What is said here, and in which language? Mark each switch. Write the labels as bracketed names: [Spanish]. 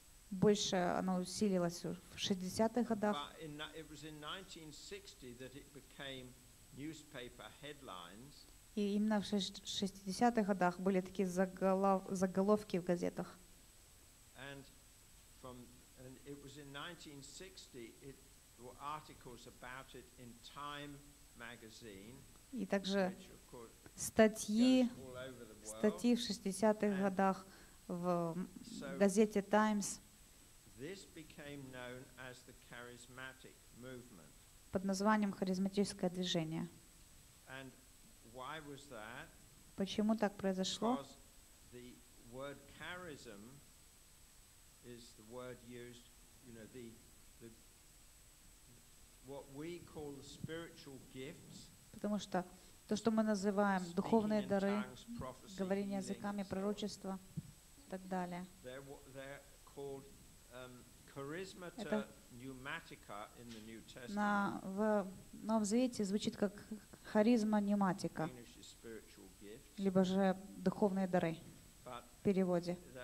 [Russian] Больше оно усилилось в 60-х годах. [English] It was in 1960 that it became newspaper headlines. [Russian] И именно в 60-х годах были такие заголовки в газетах. [English] And it was in 1960 it were articles about it in Time magazine. [Russian] И также статьи в 60-х годах в газете Times. [English] This became known as the charismatic movement. [Russian] Под названием харизматическое движение. [English] And why was that? [Russian] Почему так произошло? [English] Because the word charism is the word used, you know, the what we call the spiritual gifts. [Russian] Потому что то, что мы называем духовные дары, говорение языками, пророчество и так далее. [English] They're called charismata pneumatica in the New Testament. [Russian] На в Новом Завете звучит как харизма пневматика. Либо же духовные дары в переводе.